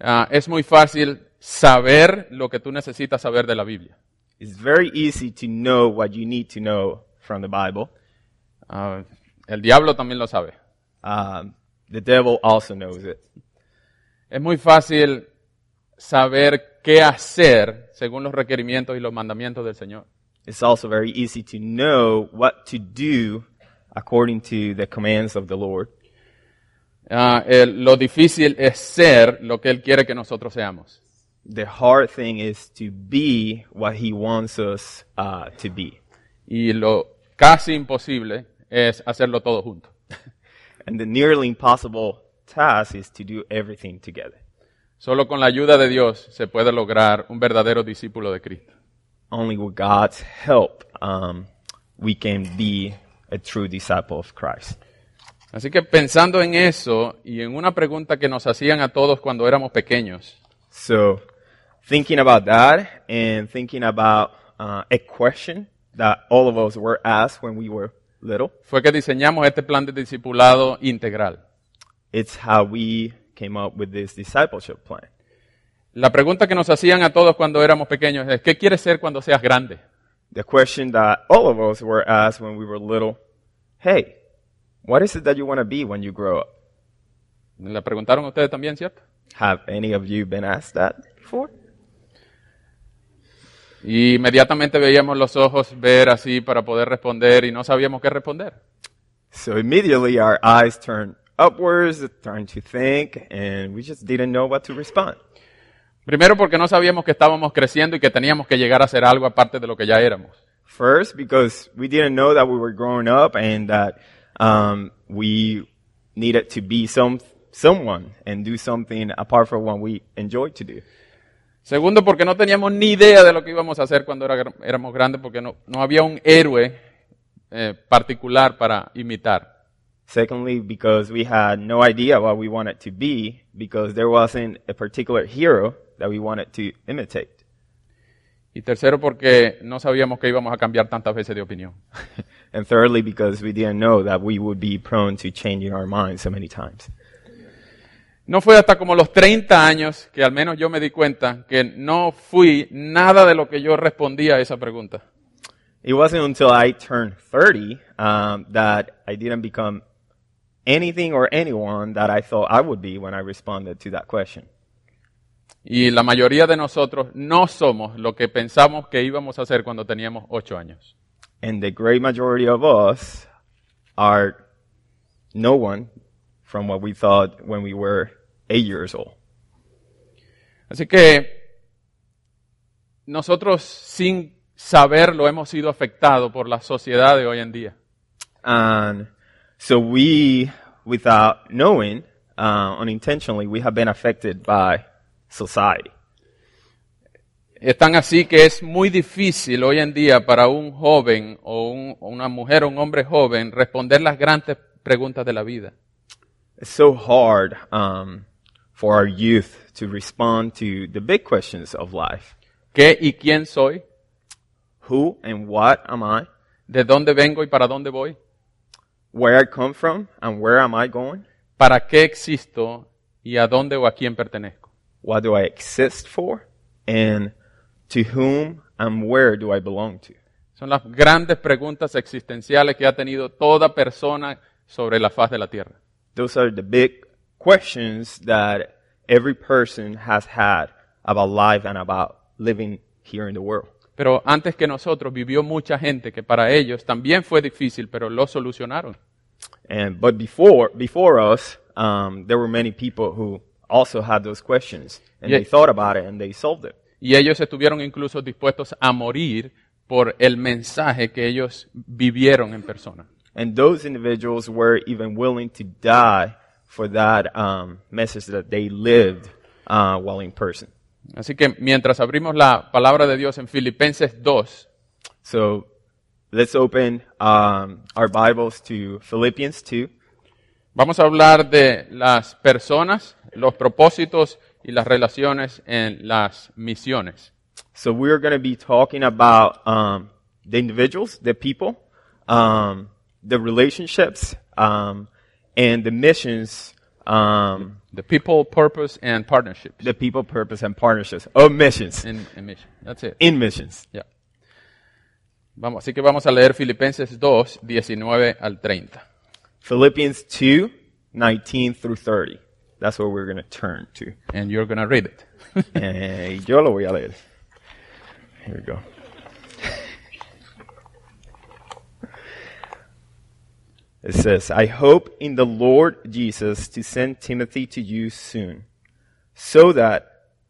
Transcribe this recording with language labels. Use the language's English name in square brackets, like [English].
[Spanish] Es muy fácil saber lo que tú necesitas saber de la Biblia. [English] It's very easy to know what you need to know from the Bible. [Spanish] El diablo también lo sabe. [English] The devil also knows it. [Spanish] Es muy fácil saber qué hacer según los requerimientos y los mandamientos del Señor. [English] It's also very easy to know what to do according to the commands of the Lord. [Spanish] Lo difícil es ser lo que Él quiere que nosotros seamos. [English] the hard thing is to be what he wants us to be. [Spanish] Y lo casi imposible es hacerlo todo junto. [English] And the nearly impossible task is to do everything together. [Spanish] Solo con la ayuda de Dios se puede lograr un verdadero discípulo de Cristo. [English] Only with God's help we can be a true disciple of Christ. [Spanish] Así que pensando en eso y en una pregunta que nos hacían a todos cuando éramos pequeños. [English] So, thinking about that and thinking about a question that all of us were asked when we were little. [Spanish] Fue que diseñamos este plan de discipulado integral. [English] It's how we came up with this discipleship plan. [Spanish] La pregunta que nos hacían a todos cuando éramos pequeños es, ¿qué quieres ser cuando seas grande? [English] The question that all of us were asked when we were little, hey, what is it that you want to be when you grow up? [Spanish] ¿La preguntaron ustedes también, cierto? [English] Have any of you been asked that before? [Spanish] Y inmediatamente veíamos los ojos ver así para poder responder y no sabíamos qué responder. [English] So immediately our eyes turned upwards, trying to think, and we just didn't know what to respond. [Spanish] Primero porque no sabíamos que estábamos creciendo y que teníamos que llegar a hacer algo aparte de lo que ya éramos. [English] First, because we didn't know that we were growing up and that we needed to be someone and do something apart from what we enjoyed to do. [Spanish] Segundo, porque no teníamos ni idea de lo que íbamos a hacer cuando éramos grandes, porque no había un héroe particular para imitar. [English] Secondly, because we had no idea what we wanted to be, because there wasn't a particular hero that we wanted to imitate. [Spanish] Y tercero, porque no sabíamos que íbamos a cambiar tantas veces de opinión. [English] And thirdly, because we didn't know that we would be prone to changing our minds so many times. [Spanish] No fue hasta como los 30 años que al menos yo me di cuenta que no fui nada de lo que yo respondía a esa pregunta. [English] It wasn't until I turned 30 that I didn't become anything or anyone that I thought I would be when I responded to that question. [Spanish] Y la mayoría de nosotros no somos lo que pensamos que íbamos a hacer cuando teníamos 8 años. [English] And the great majority of us are no one from what we thought when we were 8 years old. [Spanish] Así que nosotros sin saberlo hemos sido afectados por la sociedad de hoy en día. [English] And so we, without knowing, unintentionally, we have been affected by society. [Spanish] Es tan así que es muy difícil hoy en día para un joven o una mujer o un hombre joven responder las grandes preguntas de la vida. [English] It's so hard for our youth to respond to the big questions of life. [Spanish] ¿Qué y quién soy? [English] Who and what am I? [Spanish] ¿De dónde vengo y para dónde voy? [English] Where I come from and where am I going? [Spanish] ¿Para qué existo y a dónde o a quién pertenezco? [English] What do I exist for and to whom and where do I belong to? [Spanish] Son las grandes preguntas existenciales que ha tenido toda persona sobre la faz de la tierra. [English] Those are the big questions that every person has had about life and about living here in the world. [Spanish] Pero antes que nosotros vivió mucha gente que para ellos también fue difícil, pero lo solucionaron. [English] But before us, there were many people who also had those questions and they thought about it and they solved it. [Spanish] Y ellos estuvieron incluso dispuestos a morir por el mensaje que ellos vivieron en persona. [English] And those individuals were even willing to die for that message that they lived while in person. [Spanish] Así que mientras abrimos la palabra de Dios en Filipenses 2. [English] So, let's open our Bibles to Philippians 2. [Spanish] Vamos a hablar de las personas, los propósitos y las relaciones en las misiones. [English] So we are going to be talking about the individuals, the people, the relationships, and the missions. The people, purpose, and partnerships. The people, purpose, and partnerships. Oh, missions. In mission. That's it. In missions. Yeah. [Spanish] Vamos, así que vamos a leer Filipenses 2, 19 al 30. [English] Philippians 2, 19 through 30. That's what we're going to turn to. And you're going to read it. [Spanish] Yo lo voy a leer. [English] Here we go. It says, I hope in the Lord Jesus to send Timothy to you soon, so that